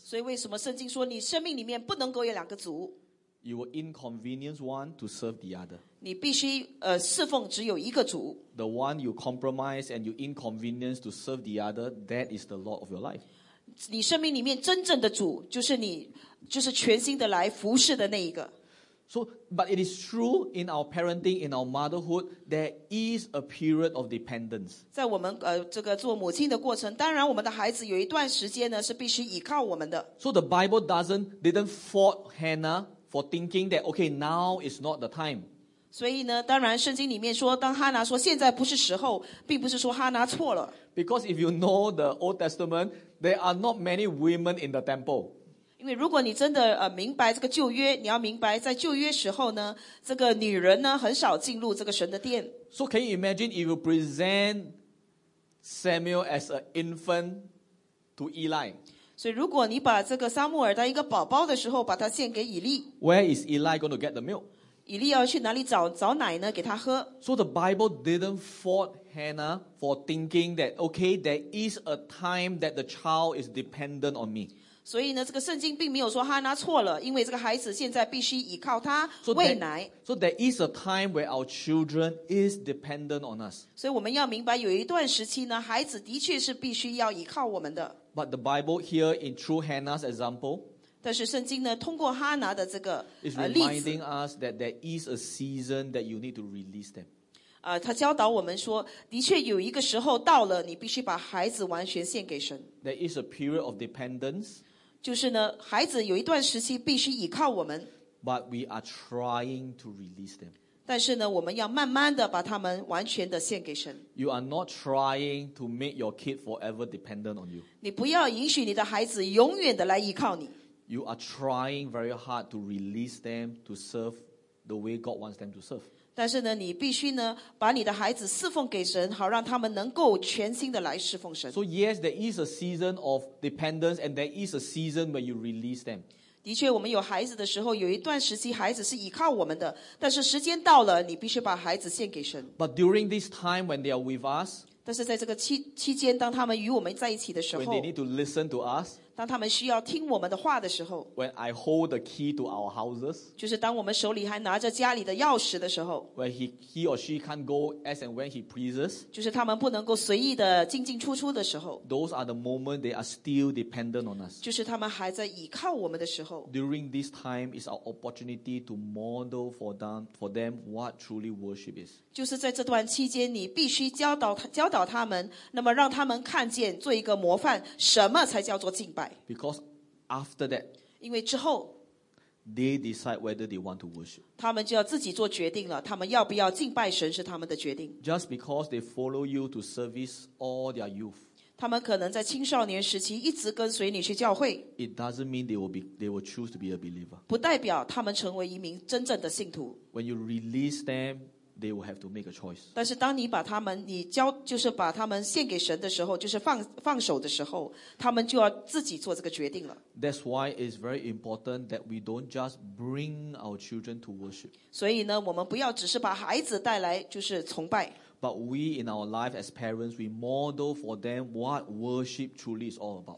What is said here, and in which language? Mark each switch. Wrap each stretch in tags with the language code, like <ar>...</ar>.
<zh>所以为什么圣经说, 你生命里面不能够有两个主。</zh> <en>You will inconvenience one to serve the other.</en> <zh>你必须, 侍奉只有一个主。</zh> <en>The one you compromise and you inconvenience to serve the other, that is the Lord of your life.</en> <zh>你生命里面真正的主就是你, 就是全心的来服侍的那一个。</zh> <en>So, but it is true in our parenting, in our motherhood, there is a period of dependence.</en> <zh>在我们, 这个做母亲的过程, 当然我们的孩子有一段时间呢, 是必须依靠我们的。</zh> <en>So the Bible didn't fault Hannah for thinking that, okay, now is not the time.</en> <zh>所以呢, 当然圣经里面说, 当哈拿说, 现在不是时候, 并不是说哈拿错了。</zh> <en>Because if you know the Old Testament, there are not many women in the temple.</en> <zh>因为如果你真的, 明白这个旧约, 你要明白在旧约时候呢, 这个女人呢, 很少进入这个神的殿。</zh> <en>So can you imagine if you present Samuel as an infant to Eli?</en> <zh>所以如果你把这个撒母耳当一个宝宝的时候, 把它献给以利,</zh> <en>Where is Eli going to get the milk?</en> <zh>以利要去哪里找奶呢, 给他喝?</zh> <en>So the Bible didn't fault Hannah for thinking that, okay, there is a time that the child is dependent on me.</en> <zh>所以呢, 这个圣经并没有说哈拿错了, 因为这个孩子现在必须依靠他, 喂奶。</zh> <en>So there is a time where our children is dependent on us.</en> <zh>所以我们要明白, 有一段时期呢, 孩子的确是必须要依靠我们的。</zh> <en>But the Bible here, in true Hannah's example,</en> <zh>但是圣经呢, 通过哈拿的这个,</zh> <en>is reminding us that there is a season that you need to release them.</en> <zh>他教导我们说, 的确有一个时候到了, 你必须把孩子完全献给神。</zh> <en>There is a period of dependence,</en> <zh>就是呢, 孩子有一段时期必须依靠我们,</zh> <en>but we are trying to release them.</en> <zh>但是呢, 我们要慢慢地把他们完全地献给神。</zh> <en>You are not trying to make your kid forever dependent on you.</en> <zh>你不要允许你的孩子永远地来依靠你。</zh> <en>You are trying very hard to release them to serve the way God wants them to serve.</en> <zh>但是呢, 你必须呢, 把你的孩子侍奉给神, 好让他们能够全心地来侍奉神。</zh> <en>So yes, there is a season of dependence and there is a season where you release them.</en> <zh>的确我们有孩子的时候, 有一段时期, 孩子是依靠我们的, 但是时间到了, 你必须把孩子献给神。</zh> <en>But during this time when they are with us,</en> <zh>但是在这个期间, 当他们与我们在一起的时候,</zh> <en>when they need to listen to us,</en> <zh>当他们需要听我们的话的时候,</zh> <en>when I hold the key to our houses,</en> <zh>就是当我们手里还拿着家里的钥匙的时候,</zh> <en>when he or she can't go as and when he pleases,</en> <zh>就是他们不能够随意的进进出出的时候,</zh> <en>those are the moments they are still dependent on us.</en> <zh>就是他们还在依靠我们的时候,</zh> <en>during this time is our opportunity to model for them what truly worship is.</en> <zh>就是在这段期间, 你必须教导他们, 那么让他们看见做一个模范, 什么才叫做敬拜。</zh> <en>Because after that,</en> <zh>因为之后,</zh> <en>they decide whether they want to worship.</en> <zh>他们就要自己做决定了, 他们要不要敬拜神是他们的决定。</zh> <en>Just because they follow you to service all their youth,</en> <zh>他们可能在青少年时期一直跟随你去教会,</zh> <en>it doesn't mean they will choose to be a believer.</en> <zh>不代表他们成为一名真正的信徒。</zh> <en>When you release them, they will have to make a choice.</en> <zh>但是当你把他们, 你交, 就是把他们献给神的时候, 就是放手的时候, 他们就要自己做这个决定了。</zh> <en>That's why it's very important that we don't just bring our children to worship.</en> <zh>所以呢, 我们不要只是把孩子带来, 就是崇拜。</zh> <en>But we in our life as parents, we model for them what worship truly is all about.</en>